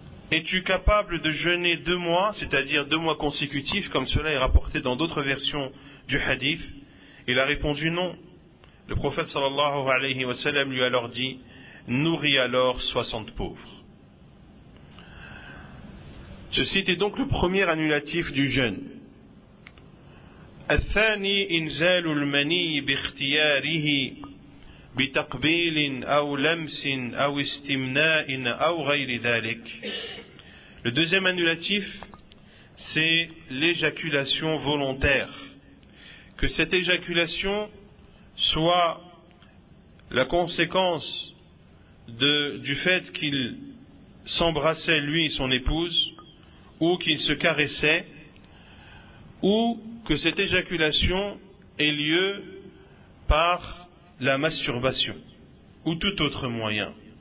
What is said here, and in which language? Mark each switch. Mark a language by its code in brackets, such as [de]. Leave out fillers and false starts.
[fr] Es-tu capable de jeûner 2 mois, c'est-à-dire 2 mois consécutifs, comme cela est rapporté dans d'autres versions du hadith? Il a répondu non. Le prophète sallallahu alayhi wa sallam lui a alors dit, nourris alors 60 pauvres. Ceci était donc le premier annulatif du jeûne. [ar] الثاني إنزال المني باختياره بتقبيل أو لمس أو استمناء أو غير ذلك. [fr] Le deuxième annulatif, c'est l'éjaculation volontaire. Que cette éjaculation soit la conséquence du fait qu'il s'embrassait lui et son épouse, ou qu'il se caressait, ou que cette éjaculation ait lieu par la masturbation, ou tout autre moyen.